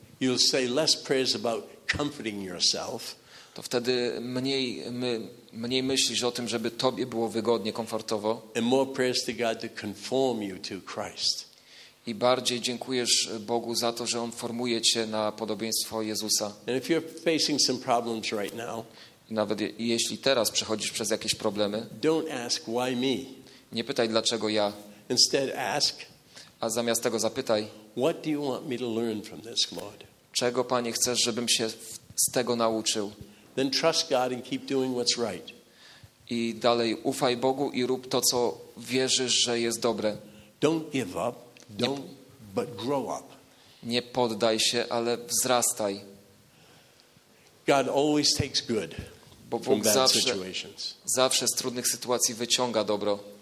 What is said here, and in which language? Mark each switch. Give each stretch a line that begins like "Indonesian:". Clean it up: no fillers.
English: you'll say less prayers about comforting yourself.
Polish: To wtedy mniej myślisz o tym, żeby tobie było wygodnie, komfortowo.
English: And more prayers to God to conform you to Christ.
Polish: I bardziej dziękujesz Bogu za to, że On formuje cię na podobieństwo Jezusa.
English: And if you're facing some problems right now,
Polish: nawet jeśli teraz przechodzisz przez jakieś problemy,
English: don't ask why me.
Polish: Nie pytaj, dlaczego ja.
English: Instead ask,
Polish: a zamiast tego zapytaj,
English: what do you want me to learn from this, Lord?
Polish: Czego, Panie, chcesz, żebym się z tego nauczył?
English: Then trust God and keep doing what's right.
Polish: I dalej ufaj Bogu i rób to, co wierzysz, że jest dobre.
English: Don't give up. Don't, but grow up.
Polish: Nie poddaj się, ale wzrastaj.
English: God always takes good from bad situations.
Polish: Zawsze z trudnych sytuacji wyciąga dobro.